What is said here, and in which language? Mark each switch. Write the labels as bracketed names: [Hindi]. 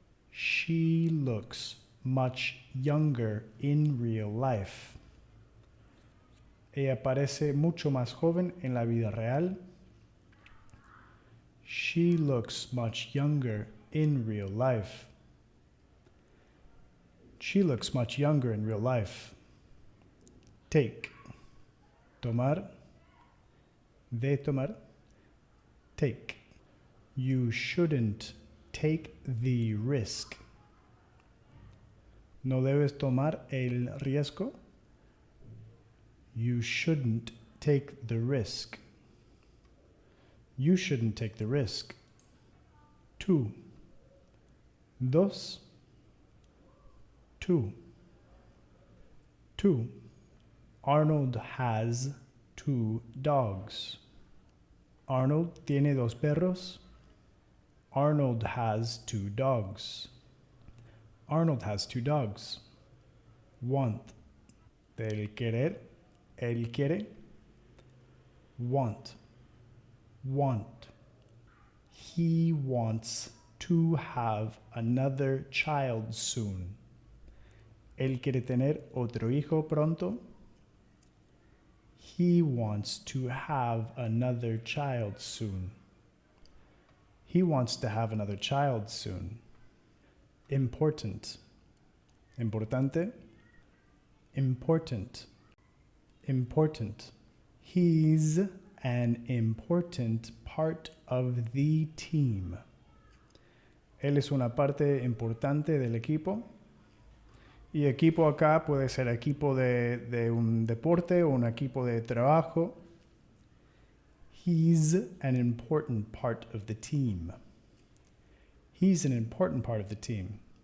[English] She looks much younger in real life. [Spanish] Ella parece mucho más joven en la vida real. [English] She looks much younger in real life. She looks much younger in real life. Take. [Spanish] Tomar. De tomar. [English] Take. You shouldn't take the risk. [Spanish] ¿No debes tomar el riesgo? [English] You shouldn't take the risk. You shouldn't take the risk. Two. [Spanish] Dos. [English] Two. Two. Arnold has two dogs. [Spanish] Arnold tiene dos perros. [English] Arnold has two dogs. Arnold has two dogs. Want. [Spanish] Del querer. Él quiere. [English] Want. Want. He wants to have another child soon. [Spanish] Él quiere tener otro hijo pronto. [English] He wants to have another child soon. He wants to have another child soon. Important. [Spanish] Importante. [English] Important. Important. He's an important part of the team. [Spanish] Él es una parte importante del equipo. Y equipo acá puede ser equipo de un deporte o un equipo de trabajo. [English] He's an important part of the team. He's an important part of the team.